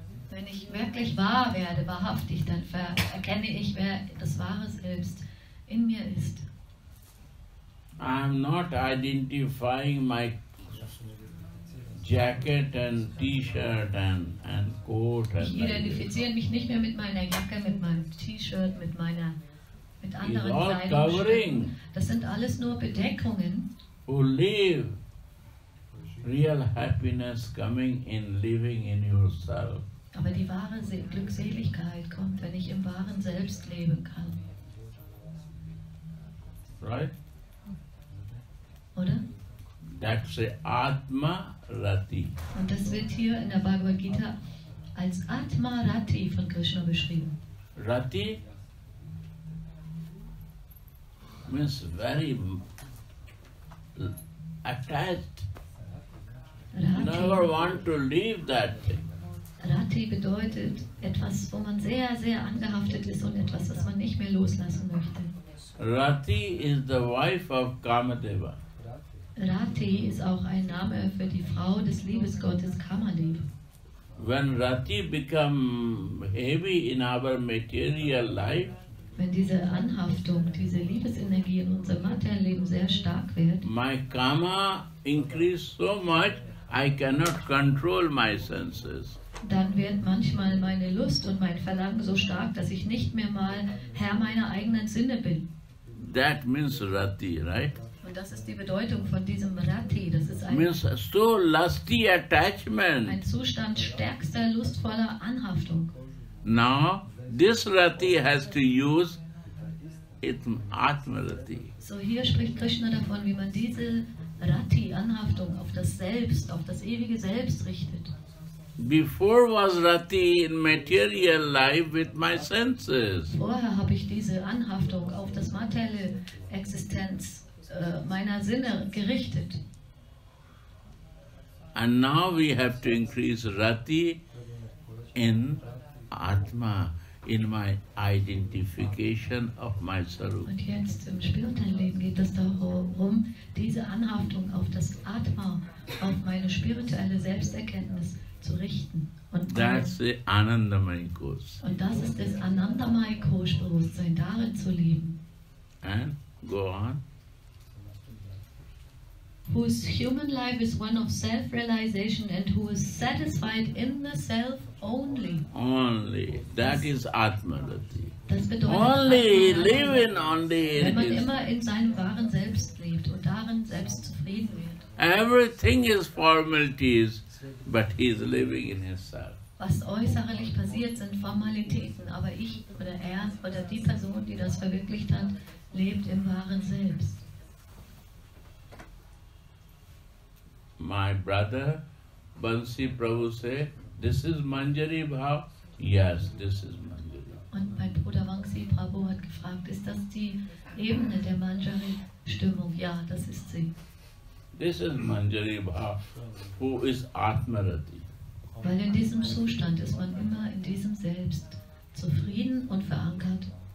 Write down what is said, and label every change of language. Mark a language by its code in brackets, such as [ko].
[de] Wenn ich wirklich wahr werde, wahrhaftig, dann erkenne ich, wer das wahre Selbst in mir ist. [en] I am not identifying my jacket and T-shirt and coat. [de] Ich identifiziere mich nicht mehr mit meiner Jacke, mit meinem T-Shirt, mit anderen Kleidungsstücken. Das sind alles nur Bedeckungen. [en] Who live real happiness coming in living in yourself. [de] Aber die wahre Glückseligkeit kommt, wenn ich im wahren Selbst leben kann. [en] Right? [de] Oder? [en] That's the Atma Rati. [de] Und das wird hier in der Bhagavad Gita als Atma Rati von Krishna beschrieben. [en] Rati means very attached. Rati. Never want to leave that thing. [de] Rati bedeutet etwas, wo man sehr, sehr angehaftet ist und etwas, was man nicht mehr loslassen möchte. [en] Rati is the wife of Kamadeva. [de] Rati ist auch ein Name für die Frau des Liebesgottes Kamadeva. [en] When Rati become heavy in our material life, [de] wenn diese Anhaftung, diese Liebesenergie in unserem materiellen Leben sehr stark wird, [en] my Kama increase so much, I cannot control my senses. [de] Dann wird manchmal meine Lust und mein Verlangen so stark, dass ich nicht mehr mal Herr meiner eigenen Sinne bin. [en] That means Rati, right? [de] Und das ist die Bedeutung von diesem Rati. Das ist ein, [en] means so lusty attachment. [de] Ein Zustand stärkster, lustvoller Anhaftung. [en] Now, this Rati has to use its Atma Rati. [de] So hier spricht Krishna davon, wie man diese Rati, Anhaftung, auf das Selbst, auf das ewige Selbst richtet. [en] Before was Rati in material life with my senses. [de] Vorher habe ich diese Anhaftung auf das materielle Existenz meiner Sinne gerichtet. [en] And now we have to increase Rati in Atma, in my identification of myself. [de] Und jetzt im spirituellen Leben geht es darum, diese Anhaftung auf das Atma, auf meine spirituelle Selbsterkenntnis zu richten. [en] Und that's the Anandamaya Kosha. [de] Und das ist das Anandamaya Kosha Bewusstsein, darin zu leben. [en] And go on. Whose human life is one of self-realization and who is satisfied in the self only. Only. That is Atma Rati. [de] Das bedeutet [en] only living only. [de] Wenn man immer in seinem wahren Selbst lebt und darin selbst zufrieden wird. [en] Everything is formalities. But he is living in himself. [de] Was äußerlich passiert, sind Formalitäten, aber ich oder er oder die Person, die das verwirklicht hat, lebt im wahren Selbst. [en] My brother Bansi Prabhu say, this is Manjari Bhav. Yes, this is Manjari. [de] Und mein Bruder Bansi Prabhu hat gefragt, ist das die Ebene der Manjari-Stimmung? Ja, das ist sie. [en] This is Manjari Bhav, who is Atma Rati. [de] Weil in diesem Zustand ist man immer in diesem Selbst zufrieden und verankert.